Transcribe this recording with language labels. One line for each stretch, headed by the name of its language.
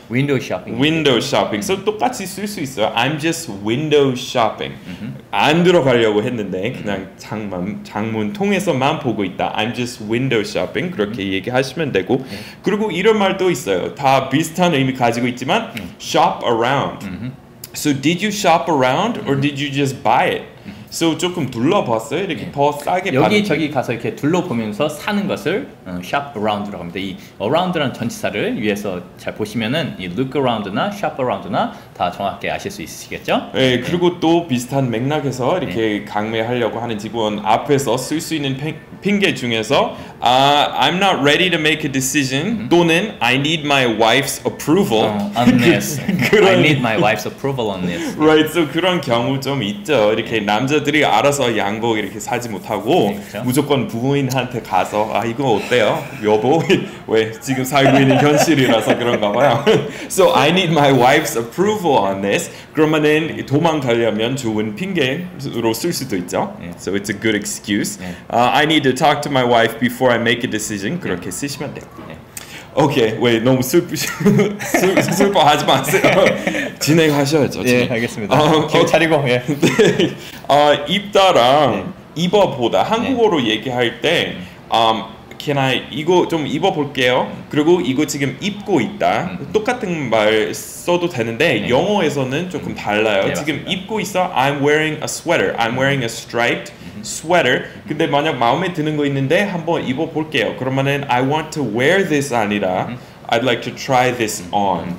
English: window shopping. Window shopping.
Korean: So 똑같이 쓸 수 있어요.
English: I'm just window shopping.
Korean: 안 들어가려고 했는데 그냥 창문 통해서만 보고 있다.
English: I'm just window shopping.
Korean: 그렇게 얘기하시면 되고 그리고 이런 말도 있어요. 다 비슷한 의미 가지고 있지만 shop around.
English: So did you shop around or did you just buy it?
Korean: So 조금 둘러봤어요. 이렇게 더 싸게 여기 저기 가서 이렇게 둘러보면서 사는 것을 shop around라고 합니다. 이 around라는 전치사를 위해서 잘 보시면은 이 look around나 shop around나 다 정확하게 아실 수 있으시겠죠? 네. 그리고 또 비슷한 맥락에서 이렇게 강매하려고 하는 직원 앞에서 쓸 수 있는 핑계 중에서
English: I'm not ready to make a decision
Korean: 또는
English: I need my wife's approval on this. I need my wife's approval on this. Right.
Korean: So 그런 경우 좀 있죠. 이렇게 남자들이 알아서 양복 이렇게 사지 못하고 무조건 부모님한테 가서 아 이거 어때요? 여보 왜 지금 살고 있는 현실이라서 그런가 봐요.
English: So I need my wife's approval on this.
Korean: 그러면은 도망가려면 좋은 핑계로 쓸 수도 있죠.
English: So it's a good excuse. I need to talk to my wife before I make a decision.
Korean: 그렇게 쓰시면 돼요.
English: 오케이.
Korean: 왜 너무 슬퍼하지 마세요. 진행하셔야죠. 예, 알겠습니다. 기억 차리고. 예. 네. 입다랑 입어보다 한국어로 얘기할 때 can I 이거 좀 입어볼게요. 그리고 이거 지금 입고 있다. 똑같은 말 써도 되는데 영어에서는 조금 달라요. 네, 지금 입고 있어.
English: I'm wearing a sweater. I'm wearing a striped sweater.
Korean: 근데 만약 마음에 드는 거 있는데 한번 입어볼게요. 그러면은
English: I want to wear this
Korean: 아니라
English: I'd like to try this on.